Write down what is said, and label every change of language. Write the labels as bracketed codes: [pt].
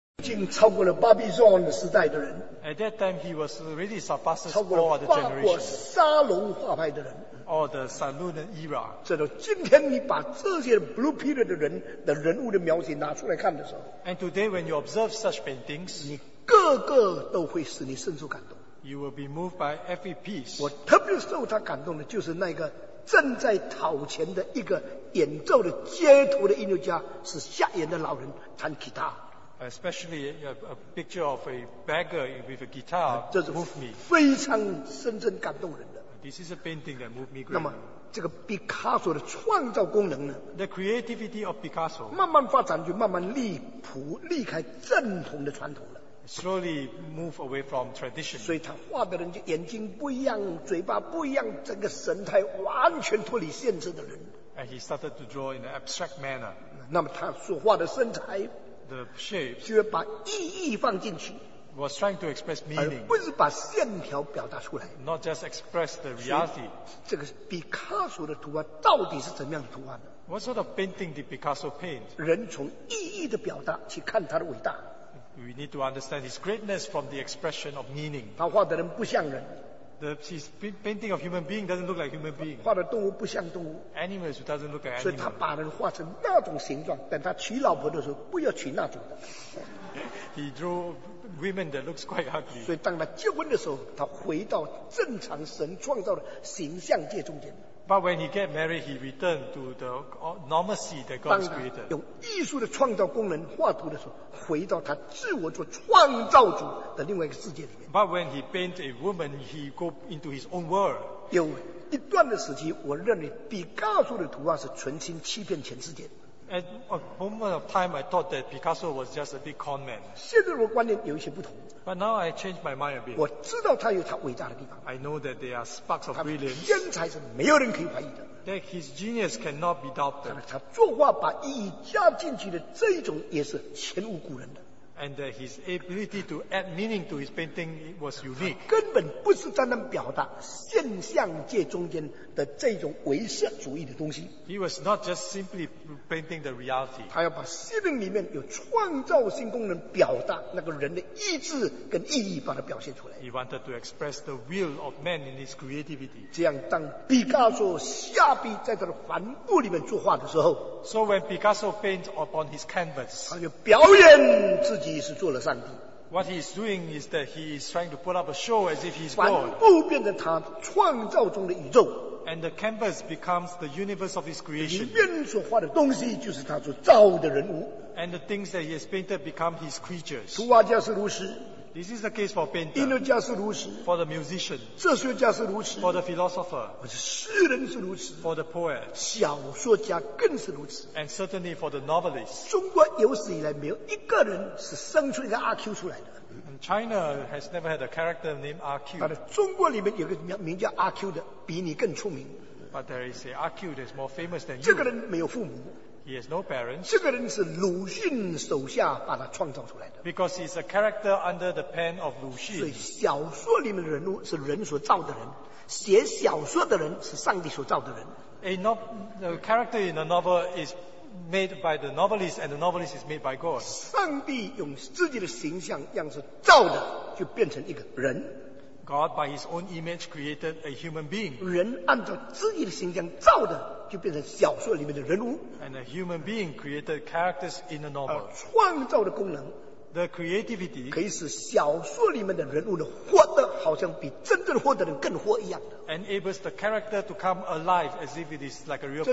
[zh] 已经超过了巴比伦时代的人。 [en] At that time, he was really surpasses all the generation. [zh] 超过沙龙画派的人。 [en] All the Saloon era. [zh] 这个今天你把这些 Blue Period 的人的人物的描写拿出来看的时候 [en] ，And today, when you observe such paintings, [zh] 你个个都会使你深受感动。 [en] You will be moved by every piece. [zh] 我特别受他感动的就是那个正在讨钱的一个演奏的街头的音乐家，是瞎眼的老人弹吉他。 [en] Especially a picture of a beggar with a guitar moved me. [zh] 非常深深感动人的。 [en] This is a painting that moved me greatly. [zh] 那么这个毕卡索的创造功能呢 [en] ？The creativity of Picasso. [zh] 慢慢发展就慢慢离开正统的传统了。 [en] Slowly move away from tradition. [zh] 所以他画的人就眼睛不一样，嘴巴不一样，整个神态完全脱离限制的人。 [en] And he started to draw in an abstract manner. [zh] 那么他所画的身材 [en] ，the shape， [zh] 就要把意义放进去。 [en] Was trying to express meaning. [zh] 而不是把线条表达出来。 [en] Not just express the reality. [zh] 这个毕卡索的图画到底是怎么样的图画呢 [en] ？What sort of painting did Picasso paint? [zh] 人从意义的表达去看他的伟大。 [en] We need to understand his greatness from the expression of meaning. [zh] 他画的人不像人。 [en] The painting of human being doesn't look like human being. [zh] 画的动物不像动物。 [en] Animals doesn't look like animals. [zh] 所以他把人画成那种形状，等他娶老婆的时候，不要娶那种的。 [en] He drew women that looks quite ugly. [zh] 所以当他结婚的时候，他回到正常神创造的形象界中间。 [en] But when he get married, he returned to the normalcy that God has created. [zh] 用艺术的创造功能画图的时候，回到他自我做创造主的另外一个世界里面。 [en] But when he paint a woman, he go into his own world. [zh] 有一段的时期，我认为毕加索的图画是存心欺骗全世界。 [en] At a moment of time, I thought that Picasso was just a big con man. [zh] 现在我观念有一些不同。 [en] But now I changed my mind a bit. [zh] 我知道他有他伟大的地方。 [en] I know that there are sparks of brilliance. [zh] 他的天才是没有人可以怀疑的。 [en] That his genius cannot be doubted. [zh] 他作画把意义加进去的这一种也是前无古人的。 [en] And that his ability to add meaning to his painting was unique. [zh] 他根本不是在那表达现象界中间的这种唯心主义的东西。 [en] He was not just simply painting the reality. [zh] 他要把心灵里面有创造性功能表达那个人的意志跟意义把它表现出来。 [en] He wanted to express the will of man in his creativity. [zh] 这样当毕加索下笔在他的帆布里面作画的时候 [en] ，So when Picasso paints upon his canvas， [zh] 他就表演自己是做了上帝。 [en] What he is doing is that he is trying to put up a show as if he's God. [zh] 帆布变成他创造中的宇宙。 [en] And the canvas becomes the universe of his creation. [zh] 里面所画的东西就是他所造的人物。 [en] And the things that he has painted become his creatures. [zh] 图画家是如此。 [en] This is the case for painter. [zh] 音乐家是如此。 [en] For the musician. [zh] 哲学家是如此。 [en] For the philosopher. [zh] 诗人是如此。 [en] For the poet. [zh] 小说家更是如此。 [en] And certainly for the novelist. [zh] 中国有史以来没有一个人是生出一个阿 Q 出来的。 [en] And China has never had a character named RQ. [zh] 但是中国里面有个名叫阿 Q 的比你更出名。 [en] But there is a RQ that's more famous than you. [zh] 这个人没有父母。 [en] He has no parents. [zh] 这个人是鲁迅手下把他创造出来的。 [en] Because he's a character under the pen of 鲁迅。 [zh] 所以小说里面的人物是人所造的人，写小说的人是上帝所造的人。 [en] The character in a novel is made by the novelist, and the novelist is made by God. [zh] 上帝用自己的形象样式造的，就变成一个人。 [en] God by His own image created a human being. [zh] 人按照自己的形象造的，就变成小说里面的人物。 [en] And a human being created characters in a novel. [zh] 创造的功能 [en] ，the creativity [zh] 可以使小说里面的人物呢活得好像比真正活的人更活一样的。 [en] Enables the character to come alive as if it is like a real person.